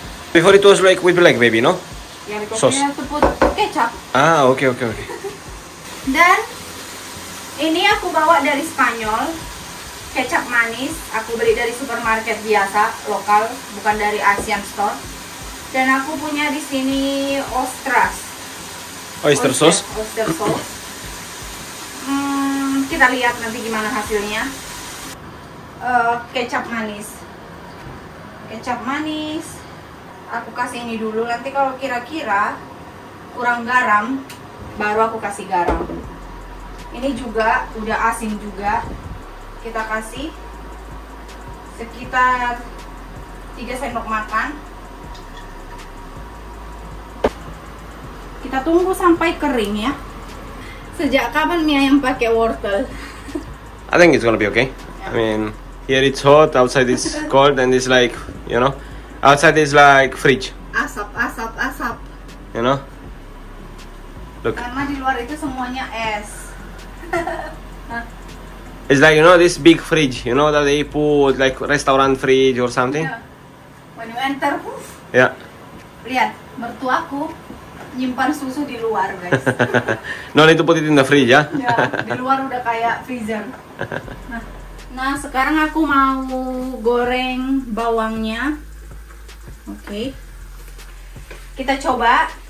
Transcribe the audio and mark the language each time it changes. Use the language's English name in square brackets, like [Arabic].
[English] Before it was like with black baby, no? [Indonesian] Ya, sos. Kecap. Ah, oke. Dan ini aku bawa dari Spanyol. kecap manis, aku beli dari supermarket biasa, lokal, bukan dari Asian store. Dan aku punya di sini ostras. [English] Oyster sauce. Oyster sauce. [Indonesian] Kita lihat nanti gimana hasilnya. Kecap manis. Kecap manis. Aku kasih ini dulu, nanti kalau kira-kira kurang garam, baru aku kasih garam. Ini juga udah asin juga. Kita kasih sekitar 3 sendok makan. Kita tunggu sampai kering ya. Sejak kapan mie ayam pakai wortel? [English] I think it's gonna be okay. Yeah. I mean, here it's hot, outside it's cold, and it's like, you know, outside is like fridge. [Indonesian] Asap. [English] You know? Look. [Indonesian] Karena di luar itu semuanya es. [English] It's like, you know, this big fridge, you know, that they put like restaurant fridge or something. Yeah. When you enter, poof. Yeah. [Indonesian] Lihat, mertuaku nyimpan susu di luar, guys. [English] No need to put it in the fridge, ya? Yeah? Yeah, [Indonesian] di luar udah kayak freezer. Nah, sekarang aku mau goreng bawangnya. Oke. Okay. Kita coba.